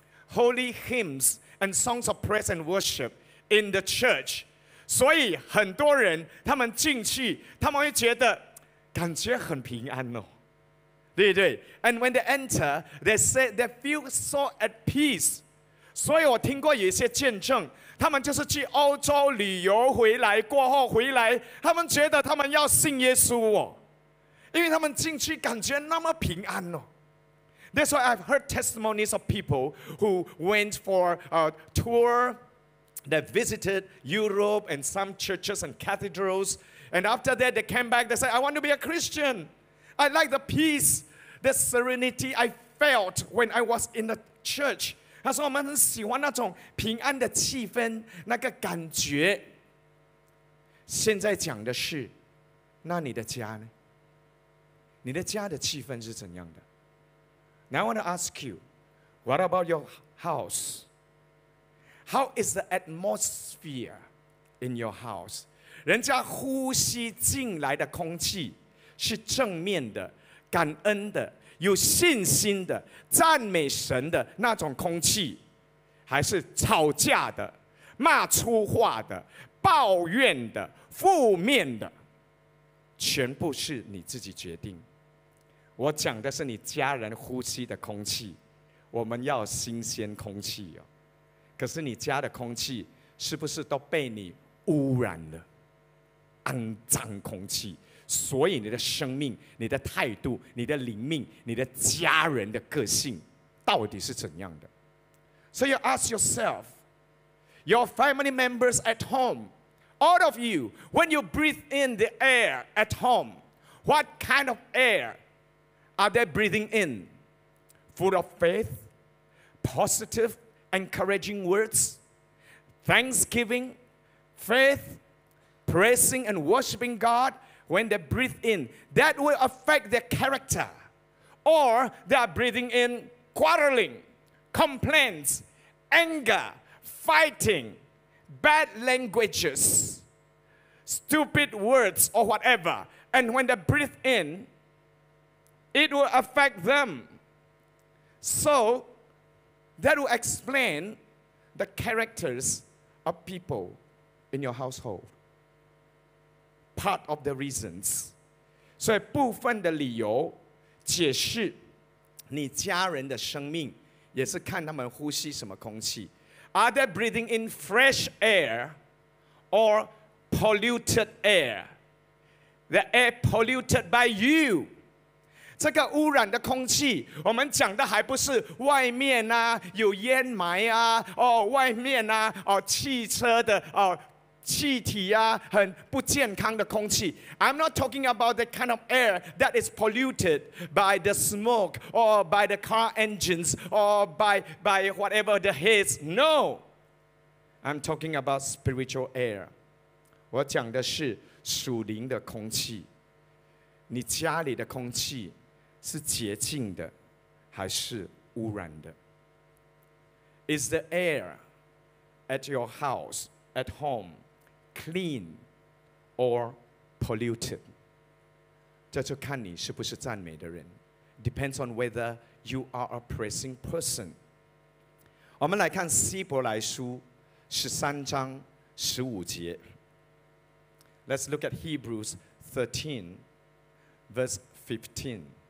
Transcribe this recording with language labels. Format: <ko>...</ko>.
<en>holy hymns and songs of praise and worship in the church.</en> <zh>所以很多人他们进去，他们会觉得感觉很平安哦，对不对？</zh> <en>And when they enter, they say they feel so at peace.</en> <zh>所以我听过有一些见证，他们就是去欧洲旅游回来过后回来，他们觉得他们要信耶稣哦，因为他们进去感觉那么平安哦。</zh> <en>That's why I've heard testimonies of people who went for a tour that visited Europe and some churches and cathedrals. And after that, they came back. They said, I want to be a Christian. I like the peace, the serenity I felt when I was in the church.</en> <zh>他说我们很喜欢那种平安的气氛，那个感觉。现在讲的是，那你的家呢？你的家的气氛是怎样的？</zh> <en>Now I want to ask you, what about your house? How is the atmosphere in your house?</en> <zh>人家呼吸进来的空气是正面的、感恩的、有信心的、赞美神的那种空气，还是吵架的、骂粗话的、抱怨的、负面的？全部是你自己决定。我讲的是你家人呼吸的空气，我们要新鲜空气哦。可是你家的空气是不是都被你污染了？肮脏空气，所以你的生命、你的态度、你的灵命、你的家人的个性到底是怎样的？</zh> <en>So you ask yourself, your family members at home, all of you, when you breathe in the air at home, what kind of air? Are they breathing in? Full of faith, positive, encouraging words, thanksgiving, faith, praising and worshiping God when they breathe in. That will affect their character. Or they are breathing in quarreling, complaints, anger, fighting, bad languages, stupid words or whatever. And when they breathe in,It will affect them. So, that will explain the characters of people in your household. Part of the reasons.</en> <zh>所以部分的理由解释你家人的生命也是看他们呼吸什么空气。</zh> <en>Are they breathing in fresh air or polluted air? The air polluted by you.</en> <zh>这个污染的空气，我们讲的还不是外面啊，有烟霾啊，哦，外面啊，哦，汽车的哦，气体啊，很不健康的空气。</zh> <en>I'm not talking about the kind of air that is polluted by the smoke or by the car engines or by whatever the haze. No, I'm talking about spiritual air.</en> <zh>我讲的是属灵的空气，你家里的空气。是洁净的还是污染的？</zh> <en>Is the air at your house, at home, clean or polluted?</en> <zh>这就看你是不是赞美的人。</zh> <en>Depends on whether you are a praising person.</en> <zh>我们来看希伯来书13章15节。</zh> <en>Let's look at Hebrews 13 verse 15.</en>